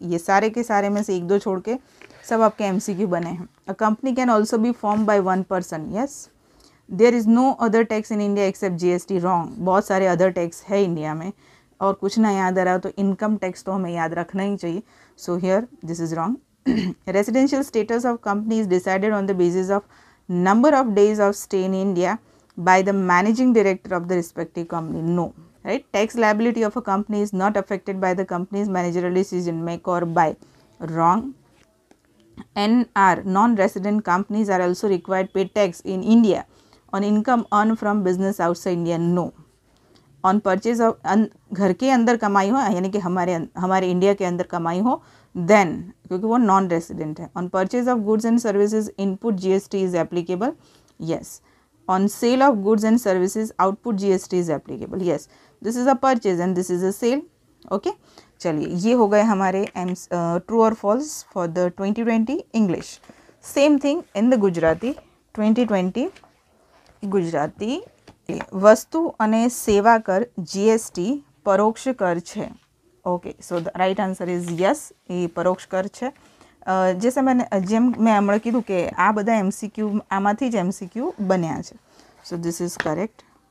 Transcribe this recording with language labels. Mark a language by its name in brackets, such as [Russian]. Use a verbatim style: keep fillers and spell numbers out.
[Hindi] ये सारे के सारे में से एक दो छोड़ के सब आपके एमसीक्यू बने हैं. [English] A company can also be form by one person, yes. There is no other tax in India except GST, wrong. [Hindi] बहुत सारे अदर टैक्स है इंडिया में, और कुछ ना याद आ रहा हो तो इनकम टैक्स तो हमें याद रखना ही चाहिए, so here this is wrong. [English] Residential status of company is decided on the basis of number of days of stay in India by the managing director of the respective company. No, right? Tax liability of a company is not affected by the company's managerial decision, make or buy. Wrong. N R non-resident companies are also required pay tax in India on income earned from business outside India. No. [Hindi] On purchase of घर के अंदर कमाई हो, यानी कि हमारे अं- हमारे India के अंदर कमाई हो, देन क्योंकि वो नॉन रेसिडेंट है. [English] On purchase of goods and services input GST is applicable, yes. On sale of goods and services output GST is applicable, yes. This is a purchase and this is a sale. Okay, चलिए ये हो गए हमारे M true और false for the twenty twenty English. Same thing in the Gujarati twenty twenty Gujarati. [Gujarati] વસ્તુ અને સેવા કર જીએસટી પરોક્ષ કર છે. Okay, so the right answer is yes, એ પરોક્ષ કર છે. અ, જેસે મેં જેમ મેં હમણાં કીધું કે આ બધા એમસીક્યુ આમાંથી જ એમસીક્યુ બન્યા છે. So this is correct.